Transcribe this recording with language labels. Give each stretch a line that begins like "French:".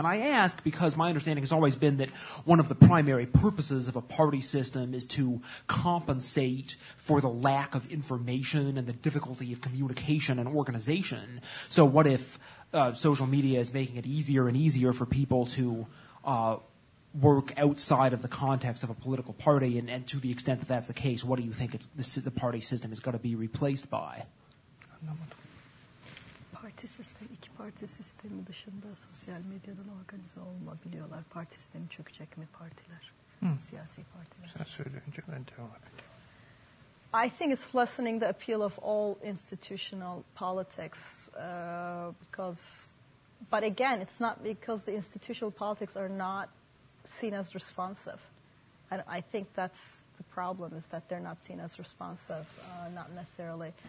English: And I ask because my understanding has always been that one of the primary purposes of a party system is to compensate for the lack of information and the difficulty of communication and organization. So what if social media is making it easier and easier for people to work outside of the context of a political party, and to the extent that that's the case, what do you think the party system is going to be replaced by? Party system,
Turkish: iki parti sistemi dışında sosyal medyadan organize olmayabiliyorlar. Parti sistemi çökecek mi partiler? Siyasi partiler. Sen söyleyince ben devam edeyim.
English: I think it's lessening the appeal of all institutional politics because, but again, it's not because the institutional politics are not seen as responsive. And I think that's the problem, is that they're not seen as responsive, not necessarily.